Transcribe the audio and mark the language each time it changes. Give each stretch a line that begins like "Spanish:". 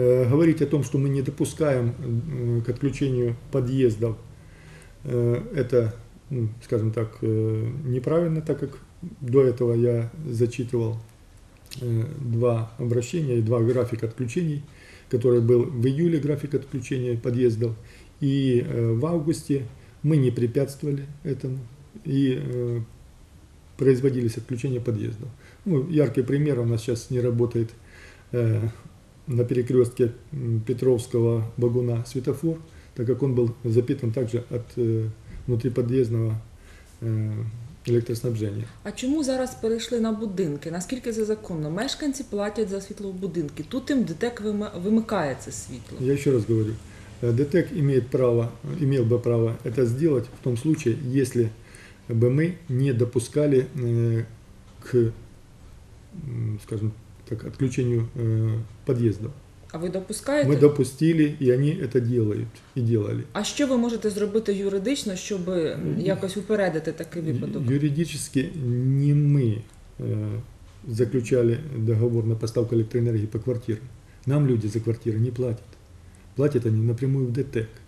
Russian: Говорить о том, что мы не допускаем к отключению подъездов, это, скажем так, неправильно, так как до этого я зачитывал два обращения и два графика отключений, который был в июле график отключения подъездов, и в августе мы не препятствовали этому и производились отключения подъездов. Ну, яркий пример, у нас сейчас не работает на перекрестке Петровского Багуна светофор, так как он был запитан также от внутриподъездного электроснабжение.
Ukrainian: А чому зараз перейшли на будинки? Наскільки це законно? Мешканці платять за світло в будинки. Тут їм ДТЕК вимикає це світло. Я ще раз говорю.
Russian: ДТЕК имел бы право это сделать в том случае, если бы мы не допускали к, скажем так, отключению подъездов.
Ukrainian: А ви допускаєте? Ми допустили, і вони це роблять, і робили. А що ви можете зробити юридично, щоб якось упередити такий випадок? Юридично не ми заключали договор на поставку електроенергії по квартирі. Нам люди за квартири не платять. Платять вони напряму в ДТЕК.